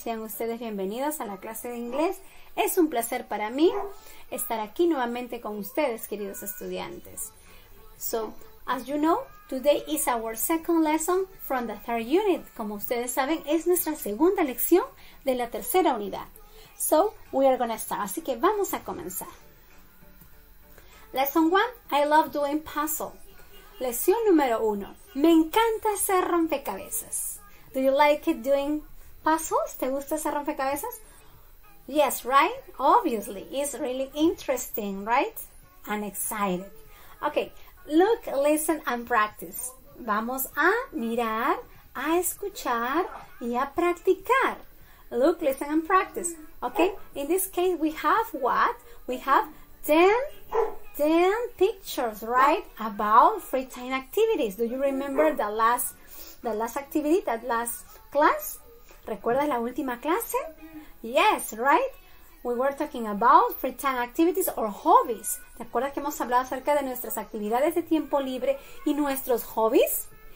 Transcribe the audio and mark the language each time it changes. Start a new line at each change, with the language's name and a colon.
Spanish: Sean ustedes bienvenidos a la clase de inglés. Es un placer para mí estar aquí nuevamente con ustedes, queridos estudiantes.
English: So, as you know, today is our second lesson from the third unit.
Spanish: Como ustedes saben, es nuestra segunda lección de la tercera unidad.
English: So, we are gonna start.
Spanish: Así que vamos a comenzar.
English: Lesson 1, I love doing puzzle.
Spanish: Lección número 1, me encanta hacer rompecabezas.
English: Do you like it doing puzzles?
Spanish: ¿Te gusta hacer rompecabezas?
English: Yes, right? Obviously, it's really interesting, right? And excited. Okay, look, listen and practice.
Spanish: Vamos a mirar, a escuchar y a practicar.
English: Look, listen and practice. Okay, in this case we have what? We have 10 pictures, right? About free time activities. Do you remember the last activity, that last class?
Spanish: ¿Recuerdas la última clase?
English: Yes, right? We were talking about free time activities or hobbies.
Spanish: ¿Te acuerdas que hemos hablado acerca de nuestras actividades de tiempo libre y nuestros hobbies?